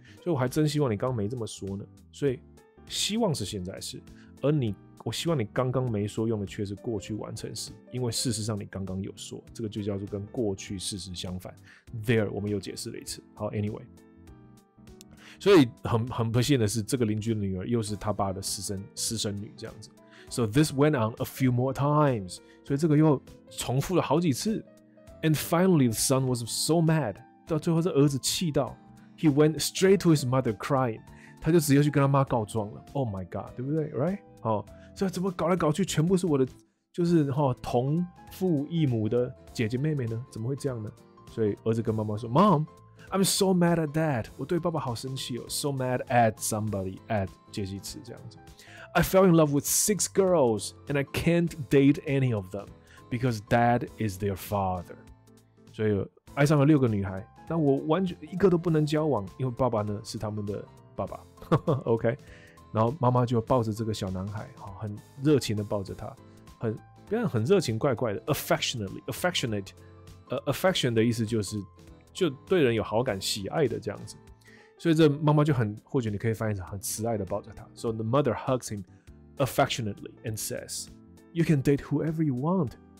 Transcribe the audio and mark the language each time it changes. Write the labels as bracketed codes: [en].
[zh] 所以我还真希望你刚刚没这么说呢。所以希望是现在式，而你，我希望你刚刚没说用的却是过去完成式，因为事实上你刚刚有说，这个就叫做跟过去事实相反。 There， 我们又解释了一次。好 ，Anyway， 所以很不幸的是，这个邻居的女儿又是他爸的私生女这样子。 [en] So this went on a few more times. [zh] 所以这个又重复了好几次。 [en] And finally, the son was so mad. [zh] 到最后，这儿子气到 [en] ，he went straight to his mother crying. [zh] 他就直接去跟他妈告状了。 [en] Oh my god， [zh] 对不对 ？ [en] Right？ [zh] 哦，所以怎么搞来搞去，全部是我的，就是哈、哦、同父异母的姐姐妹妹呢？怎么会这样呢？所以儿子跟妈妈说 [en] Mom, I'm so mad at dad, [zh] 我对爸爸好生气哦 [en] so mad at somebody, at [zh] 介系词这样子。 [en] I fell in love with six girls, and I can't date any of them, because dad is their father. [zh] 所以爱上了六个女孩，但我完全一个都不能交往，因为爸爸呢是他们的爸爸。 OK, 然后妈妈就抱着这个小男孩，很热情的抱着他，很热情，怪怪的 ，affection 的意思就是就对人有好感、喜爱的这样子。所以这妈妈就很，或许你可以翻译成很慈爱的抱着他。 [en] So the mother hugs him affectionately and says, "You can date whoever you want.